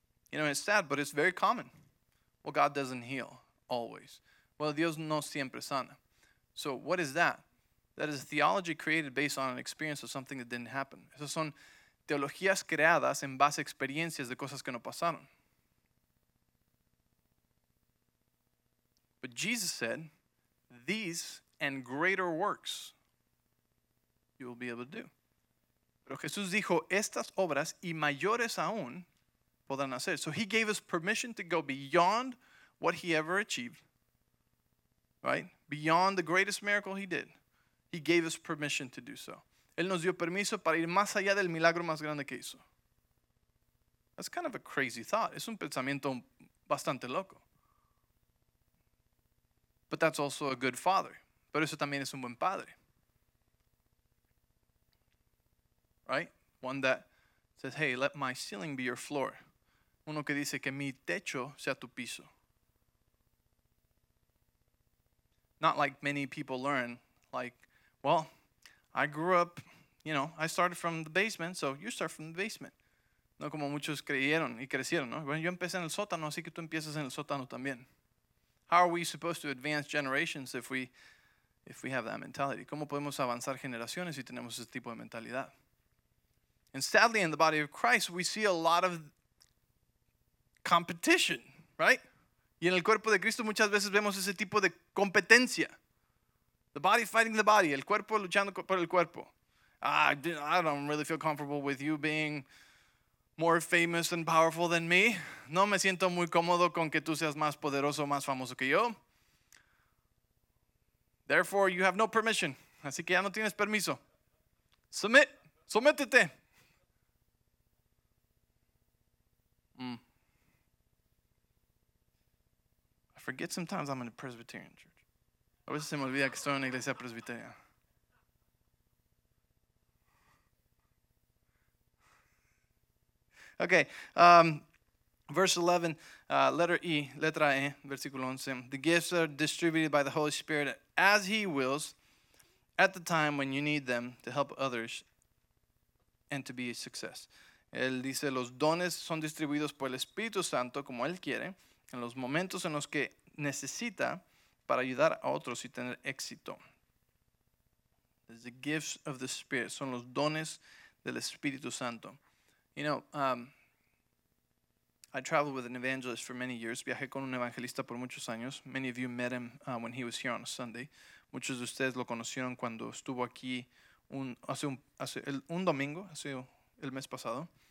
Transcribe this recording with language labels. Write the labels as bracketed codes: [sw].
[en] You know, it's sad, but it's very common. Well, God doesn't heal always. Well, [es] Dios no siempre sana. [en] So what is that? That is a theology created based on an experience of something that didn't happen. [es] Esas son teologías creadas en base a experiencias de cosas que no pasaron. [en] But Jesus said, these and greater works you will be able to do. [es] Pero Jesús dijo, estas obras y mayores aún podrán hacer. [en] So he gave us permission to go beyond what he ever achieved. Right? Beyond the greatest miracle he did. He gave us permission to do so. [es] Él nos dio permiso para ir más allá del milagro más grande que hizo. [en] That's kind of a crazy thought. [es] Es un pensamiento bastante loco. [en] But that's also a good father. [es] Pero eso también es un buen padre. [en] Right? One that says, hey, let my ceiling be your floor. [es] Uno que dice que mi techo sea tu piso. [en] Not like many people learn, like, well, I grew up, you know, I started from the basement, so you start from the basement. [es] No como muchos creyeron y crecieron, ¿no? Bueno, yo empecé en el sótano, así que tú empiezas en el sótano también. [en] How are we supposed to advance generations if we have that mentality? [es] ¿Cómo podemos avanzar generaciones si tenemos ese tipo de mentalidad? [en] And sadly, in the body of Christ, we see a lot of competition, right? [es] Y en el cuerpo de Cristo muchas veces vemos ese tipo de competencia. [en] The body fighting the body, [es] el cuerpo luchando por el cuerpo. [en] I don't really feel comfortable with you being more famous and powerful than me. [es] No me siento muy cómodo con que tú seas más poderoso, más famoso que yo. [en] Therefore, you have no permission. [es] Así que ya no tienes permiso. Sométete. [en] Forget sometimes I'm in a Presbyterian church. [es] A veces se me olvida que estoy en una iglesia presbiteriana. [en] Okay, letter E, versículo 11. The gifts are distributed by the Holy Spirit as he wills at the time when you need them to help others and to be a success. [es] Él dice, los dones son distribuidos por el Espíritu Santo como él quiere en los momentos en los que necesita para ayudar a otros y tener éxito. [en] The gifts of the Spirit. [es] Son los dones del Espíritu Santo. [en] You know, I traveled with an evangelist for many years. [es] Viajé con un evangelista por muchos años. [en] Many of you met him when he was here on a Sunday. [es] Muchos de ustedes lo conocieron cuando estuvo aquí hace el mes pasado.